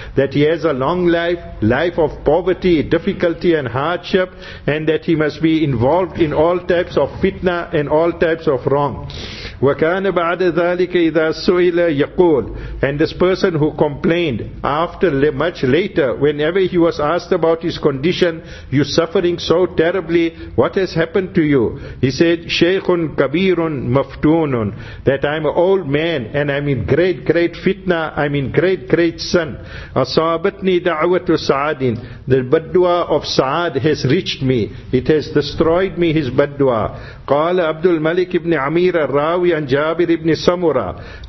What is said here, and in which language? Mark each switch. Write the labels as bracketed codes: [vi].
[en] That he has a long life, life of poverty, difficulty and hardship, and that he must be involved in all types of fitna and all types of wrong. [ar] وَكَانَ بَعْدَ ذَلِكَ إِذَا سُئِلَ يَقُولُ. [en] And this person who complained, after much later, whenever he was asked about his condition, you suffering so terribly, what has happened to you? He said, [ar] شَيْخٌ كَبِيرٌ مَفْتُونٌ. [en] That I'm an old man, and I'm in great, great fitna, I'm in great, great sin. [ar] أَصَابَتْنِي دَعْوَةُ سَعَادٍ. [en] The baddua of Sa'ad has reached me. It has destroyed me, his baddua. [ar] قَالَ عَبْدُ الْمَلِكِ إِبْنِ عَمِيرَ الرَّاوِي عَنْ جَابِرِ إِبْنِ سَمُرَةَ.